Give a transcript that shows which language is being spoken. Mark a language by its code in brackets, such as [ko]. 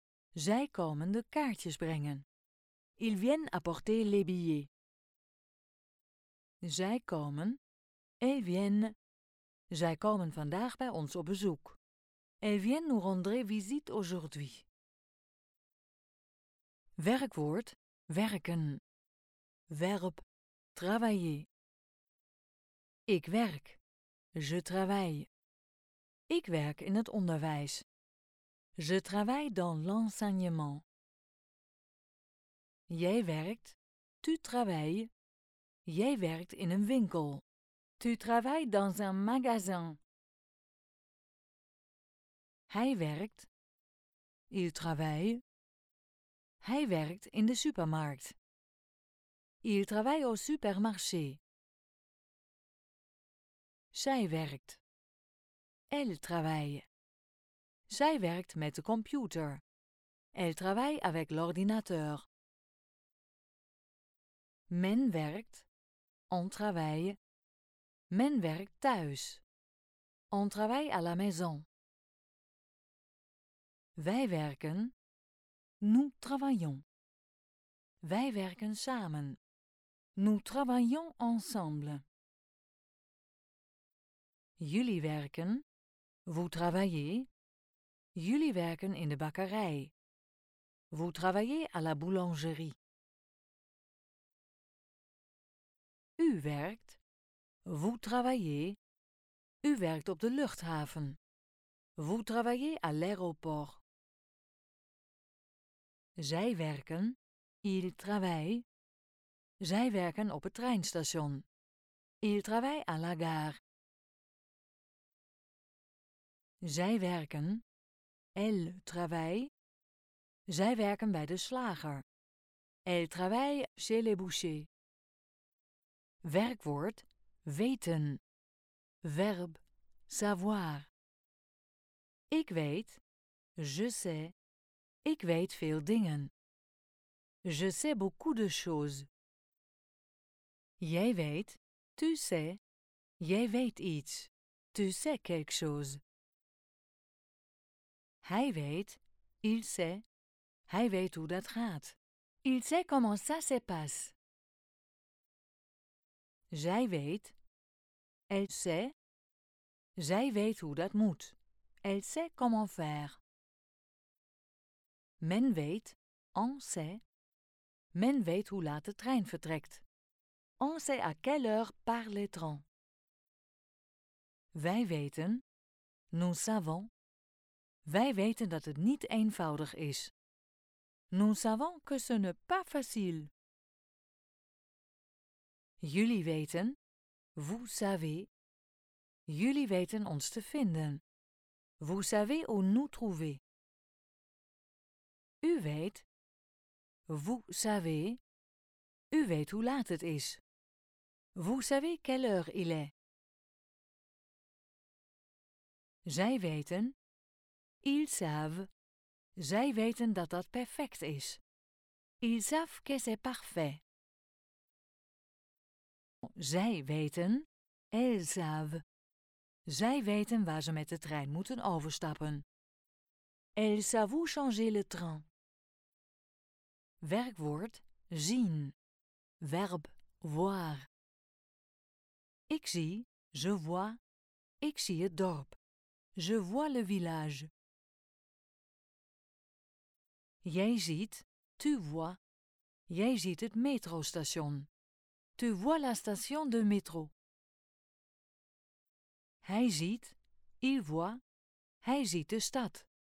[nl] Zij komen de kaartjes brengen. [fr] Ils viennent apporter les billets. [nl] Zij komen. [fr] Ils viennent. [nl] Zij komen vandaag bij ons op bezoek. [fr] Ils viennent nous rendre visite aujourd'hui. [nl] Werkwoord: werken. Verb: travailler. Ik werk. [fr] Je travaille. [nl] Ik werk in het onderwijs. [fr] Je travaille dans l'enseignement. [nl] Jij werkt. [fr] Tu travailles. [nl] Jij werkt in een winkel. [fr] Tu travailles dans un magasin. [nl] Hij werkt. [fr] Il travaille. [nl] Hij werkt in de supermarkt. [fr] Il travaille au supermarché. [nl] Zij werkt. [fr] Elle travaille. [nl] Zij werkt met de computer. [fr] Elle travaille avec l'ordinateur. [nl] Men werkt. [fr] On travaille. [nl] Men werkt thuis. [fr] On travaille à la maison. [nl] Wij werken. [fr] Nous travaillons. [nl] Wij werken samen. [fr] Nous travaillons ensemble. [nl] Jullie werken. [fr] Vous travaillez. [nl] Jullie werken in de bakkerij. [fr] Vous travaillez à la boulangerie. [nl] U werkt. [fr] Vous travaillez. [nl] U werkt op de luchthaven. [fr] Vous travaillez à l'aéroport. [nl] Zij werken. [fr] Ils travaillent. [nl] Zij werken op het treinstation. [fr] Ils travaillent à la gare. [nl] Zij werken. [fr] Elle travaille. [nl] Zij werken bij de slager. [fr] Elle travaille chez les bouchers. [nl] Werkwoord: weten. Verb: savoir. Ik weet. [fr] Je sais. [nl] Ik weet veel dingen. [fr] Je sais beaucoup de choses. [nl] Jij weet. [fr] Tu sais. [nl] Jij weet iets. [fr] Tu sais quelque chose. [nl] Hij weet, [fr] il sait, [nl] hij weet hoe dat gaat. [fr] Il sait comment ça se passe. [nl] Zij weet, [fr] elle sait, [nl] zij weet hoe dat moet. [fr] Elle sait comment faire. [nl] Men weet, [fr] on sait, [nl] men weet hoe laat de trein vertrekt. [fr] On sait à quelle heure part le train. [nl] Wij weten, [fr] nous savons. [nl] Wij weten dat het niet eenvoudig is. [fr] Nous savons que ce n'est pas facile. [nl] Jullie weten, [fr] vous savez. [nl] Jullie weten ons te vinden. [fr] Vous savez où nous trouver. [nl] U weet, [fr] vous savez. [nl] U weet hoe laat het is. [fr] Vous savez quelle heure il est. [nl] Zij weten. [fr] Ils savent. [nl] Zij weten dat dat perfect is. [fr] Ils savent que c'est parfait. [nl] Zij weten. [fr] Elles savent. [nl] Zij weten waar ze met de trein moeten overstappen. [fr] Elles savent changer le train. [nl] Werkwoord zien. Verb voir. Ik zie, [fr] je vois, [nl] ik zie het dorp. [fr] Je vois le village. [nl] Jij ziet, [fr] tu vois. [nl] Jij ziet het metrostation. [fr] Tu vois la station de métro. [nl] Hij ziet, [fr] il voit, [nl] hij ziet de stad.